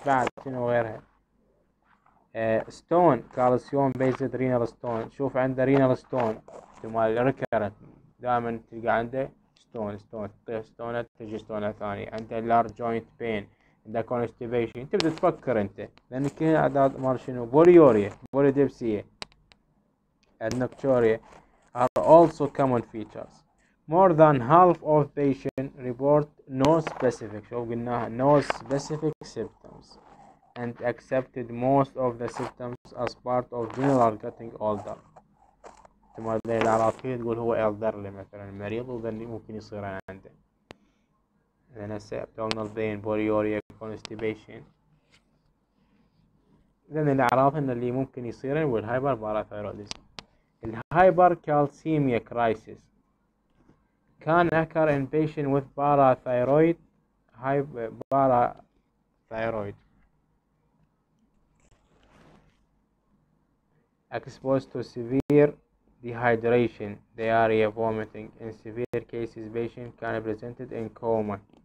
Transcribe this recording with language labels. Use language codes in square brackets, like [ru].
[ar] بعد شنو غيرها؟ ستون كالسيوم بيزد رينال ستون، شوف عنده رينال ستون احتمال ريكيرنت، دائما تلقى عنده ستون ستون، تطيح ستونه تجي ستونه ثانيه، عنده لارج جوينت بين، عنده كونستيبيشن. تبدا تفكر انت لانك هنا اعداد مال شنو؟ بوليوريا، بوليديبسيا، النكتوريا [en] are also common features. More than half of patients report no specific. [ar] شو قلناها؟ [en] no specific symptoms. And accepted most of the symptoms as part of general getting older. [ar] ثم هذه الأعراض فيه تقول هو elderly مثلا المريض، وذا اللي ممكن يصير عنده. [en] Then I say abdominal pain, polyuria, constipation. [ar] Then الأعراض إن اللي ممكن يصير هو hyperparathyroidism. [en] الهايبركالسيميا crisis can occur in patient with parathyroid parathyroid expose to severe dehydration diarrhoea vomiting, in severe cases patient كان presented in coma.